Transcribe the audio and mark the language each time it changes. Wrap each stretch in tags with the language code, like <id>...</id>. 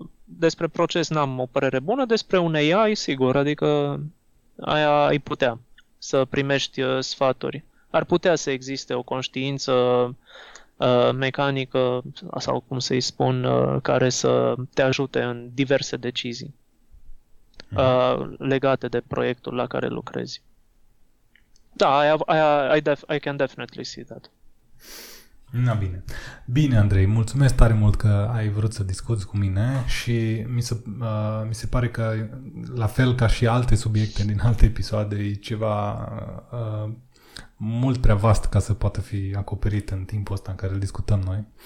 <ro>despre proces n-am o părere bună, despre un AI, sigur, adică aia ai putea să primești sfaturi. Ar putea să existe o conștiință mecanică sau cum să-i spun, care să te ajute în diverse decizii legate de proiectul la care lucrezi.</ro> <en>Da, I can definitely see that.</en> <ro>Na, bine. Bine, Andrei, mulțumesc tare mult că ai vrut să discuți cu mine și mi se pare că, la fel ca și alte subiecte din alte episoade, e ceva mult prea vast ca să poată fi acoperit în timpul ăsta în care îl discutăm noi.</ro>